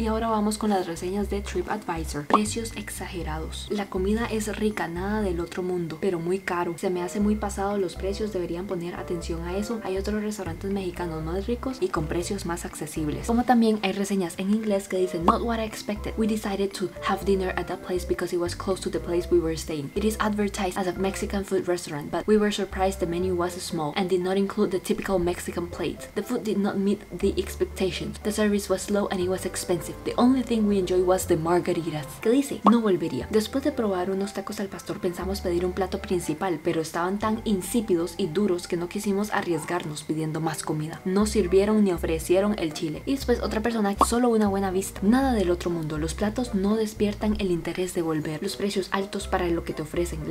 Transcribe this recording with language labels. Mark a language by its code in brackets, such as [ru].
[es] Y ahora vamos con las reseñas de TripAdvisor. Precios exagerados. La comida es rica, nada del otro mundo, pero muy caro. Se me hace muy pasado los precios. Deberían poner atención a eso. Hay otros restaurantes mexicanos más ricos y con precios más accesibles. Como también hay reseñas en inglés que dicen: [en] not what I expected. We decided to have dinner at that place because it was close to the place we were staying. It is advertised as a Mexican food restaurant, but we were surprised the menu was small and did not include the typical Mexican plate. The food did not meet the expectations. The service was slow and it was expensive. The only thing we enjoyed was the margaritas. [es] ¿Qué dice? No volvería. Después de probar unos tacos al pastor, pensamos pedir un plato principal, pero estaban tan insípidos y duros que no quisimos arriesgarnos pidiendo más comida. No sirvieron ni ofrecieron el chile. Y después otra persona: solo una buena vista. Nada del otro mundo. Los platos no despiertan el interés de volver. Los precios altos para lo que te ofrecen.